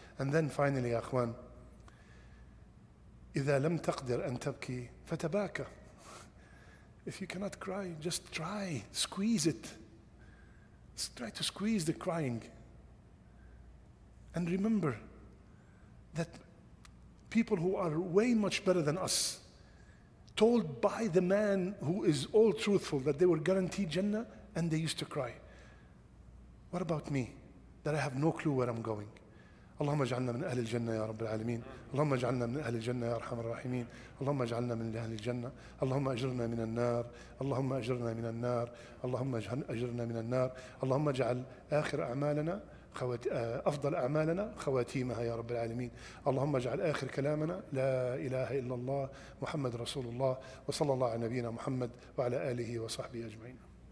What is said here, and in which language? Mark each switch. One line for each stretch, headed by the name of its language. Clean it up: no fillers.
English: And then finally,
Arabic: Akhwan, إذا لم تقدر أن تبكي فتباكى.
English: If you cannot cry, just try, squeeze it. Just try to squeeze the crying. And remember that people who are way much better than us, told by the man who is all truthful that they were guaranteed Jannah, and they used to cry. What about me, that I have no clue where I'm going?
Arabic: اللهم اجعلنا من أهل الجنة يا رب العالمين اللهم اجعلنا من أهل الجنة يا أرحم الراحمين اللهم اجعلنا من أهل الجنة اللهم أجرنا من النار اللهم أجرنا من النار اللهم أجرنا من النار اللهم اجعل آخر أعمالنا أفضل أعمالنا خواتيمها يا رب العالمين اللهم اجعل آخر كلامنا لا إله إلا الله محمد رسول الله وصلى الله على نبينا محمد وعلى آله وصحبه أجمعين.